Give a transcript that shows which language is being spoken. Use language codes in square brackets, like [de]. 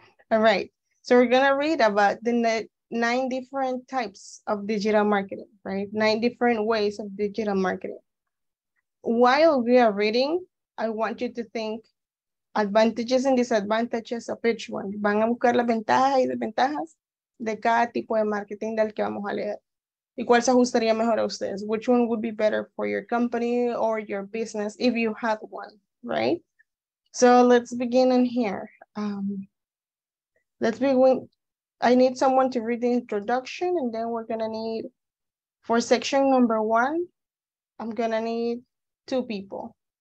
[en] All right. So we're going to read about the 9 different types of digital marketing, right? 9 different ways of digital marketing. While we are reading, I want you to think advantages and disadvantages of each one. [es] Van a buscar las ventajas y desventajas de cada tipo de marketing del que vamos a leer. ¿Y cuál se ajustaría mejor a ustedes? [en] Which one would be better for your company or your business if you had one, right? So let's begin in here. Let's begin. I need someone to read the introduction, and then we're gonna need, for section number one, I'm gonna need two people.